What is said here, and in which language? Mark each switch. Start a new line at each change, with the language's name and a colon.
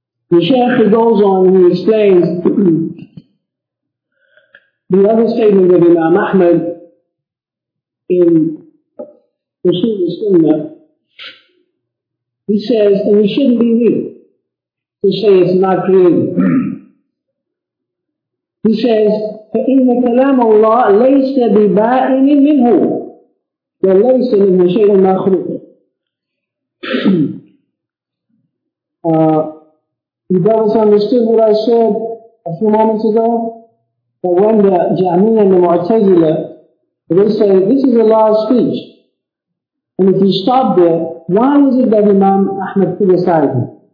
English: The Shaykh goes on and he explains the other statement of Imam Ahmad in the sunnah. He says, and it shouldn't be weak to say it's not created. He says,
Arabic: فَإِنَّ كَلَامَ اللَّهِ لَيْسَ بِبَائِنٍ مِنْهُ وَلَيْسَ مِنْهُ شَيْءٍ مَخْلُوقٍ.
English: You brothers understood what I said a few moments ago? That when the Jahmiyyah and the Mu'tazila, they say, this is Allah's speech. And if you stop there, why is it that Imam Ahmad criticized him?